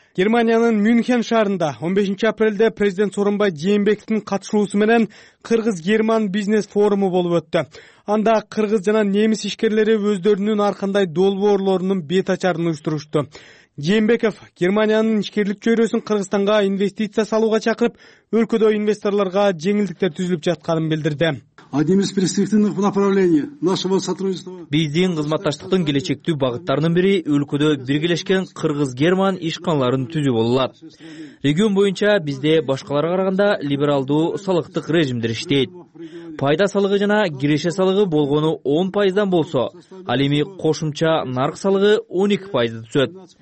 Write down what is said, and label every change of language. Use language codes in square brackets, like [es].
[ky] Германиянын Мюнхен шаарында 15 апрелде президент Сооронбай Жээнбековдун катышуусу менен кыргыз герман бизнес форуму болуп өттү. Анда кыргыз жана немис ишкерлери өздөрүнүн ар кандай долбоорлорунун бет ачарын уюштурушту. Жээнбеков Германиянын ишкерлик чөйрөсүн Кыргызстанга инвестиция салууга чакырып, өлкөдө инвесторлорго жеңилдиктер түзүлүп жатканын билдирди. [ru] Одним из перспективных направлений нашего сотрудничества. [ky] Биздин кызматташтыктын келечектүү багыттарынын бири өлкөдө биргелешкен кыргыз-герман ишканаларын түзүп алат. Регион боюнча бизде башкаларга караганда либералдуу салыктык режимдер иштейт. Пайда салыгы жана киреше салыгы болгону 10% болсо, ал эми кошумча нарк салыгы 12% түшөт.